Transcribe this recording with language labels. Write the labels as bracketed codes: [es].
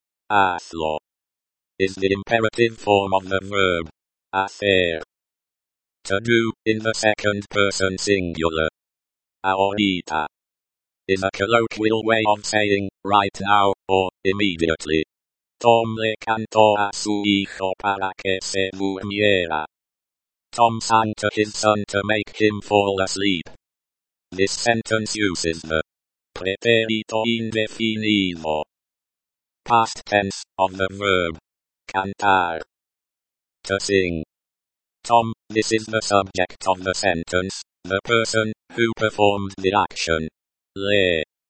[en] Hazlo is the imperative form of the verb hacer. To do, in the second person singular. Ahorita is a colloquial way of saying right now or immediately. [es] Tom le cantó a su hijo para que se durmiera. [en] Tom sang to his son to make him fall asleep. This sentence uses the pretérito indefinido, past tense, of the verb cantar, to sing. Tom, this is the subject of the sentence, the person who performed the action. Le.